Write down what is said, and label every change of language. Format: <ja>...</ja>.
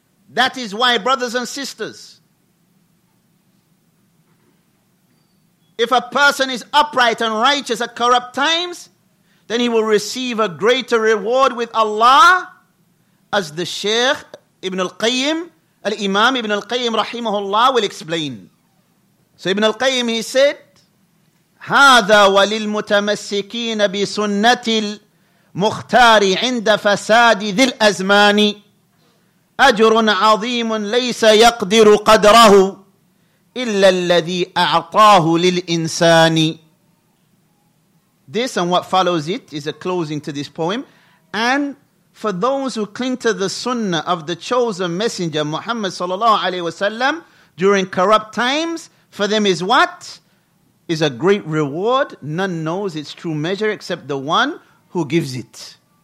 <en>That is why, brothers and sisters, if a person is upright and righteous at corrupt times, then he will receive a greater reward with Allah, as the Shaykh Ibn Al-Qayyim, Al-Imam Ibn Al-Qayyim rahimahullah, will explain. So Ibn Al-Qayyim, he said,</en> <ar>هَذَا وَلِلْمُتَمَسِّكِينَ بِسُنَّةِ الْمُخْتَارِ عِنْدَ فَسَادِ ذِي الْأَزْمَانِ أَجْرٌ عَظِيمٌ لَيْسَ يَقْدِرُ قَدْرَهُ إِلَّا الَّذِي أَعْطَاهُ لِلْإِنسَانِ.</ar> <en>This and what follows it is a closing to this poem. And for those who cling to the sunnah of the chosen messenger Muhammad sallallahu alayhi wa sallam during corrupt times, for them is what? Is a great reward. None knows its true measure except the one who gives it.</en>